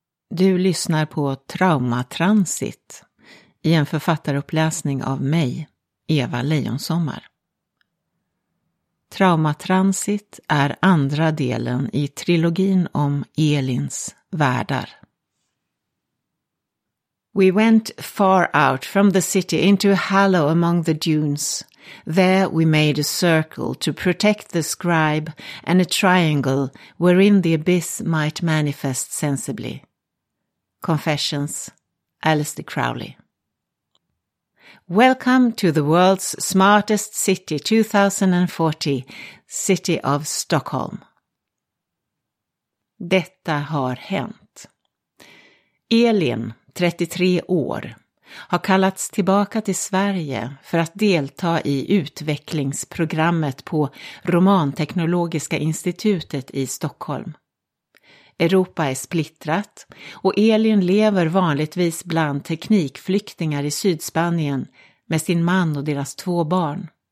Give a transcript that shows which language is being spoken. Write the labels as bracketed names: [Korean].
[Swedish] Du lyssnar på Traumatransit, i en författaruppläsning av mig, Eva Leijonsommar. Traumatransit är andra delen i trilogin om Elins världar. [English] We went far out from the city into a hollow among the dunes. There we made a circle to protect the scribe and a triangle wherein the abyss might manifest sensibly. Confessions, Aleister Crowley. Welcome to the world's smartest city, 2040, City of Stockholm. [Swedish] Detta har hänt. Elin, 33 år, har kallats tillbaka till Sverige för att delta i utvecklingsprogrammet på Romanteknologiska institutet i Stockholm. Europa är splittrat och Elin lever vanligtvis bland teknikflyktingar i Sydspanien med sin man och deras två barn.